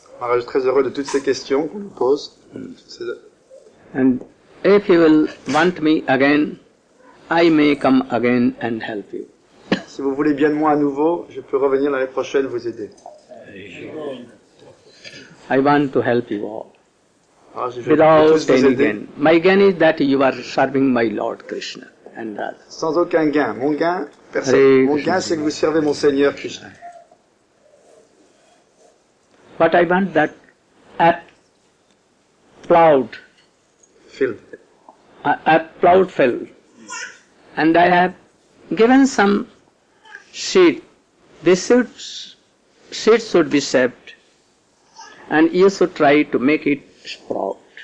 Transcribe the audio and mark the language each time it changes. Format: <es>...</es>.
<fr>Maharaj est très heureux de toutes ces questions qu'on nous pose.</fr> <en>And if you will want me again, I may come again and help you.</en> <fr>Si vous voulez bien de moi à nouveau, je peux revenir l'année prochaine vous aider.</fr> <en>I want to help you all. Without any gain. My gain is that you are serving my Lord Krishna and Radha.</en> <fr>Sans aucun gain. Mon gain, c'est que vous servez mon Seigneur Krishna.</fr> <en>But I want that plowed field, and I have given some seed. This seed should be saved, and you should try to make it sprout.</en>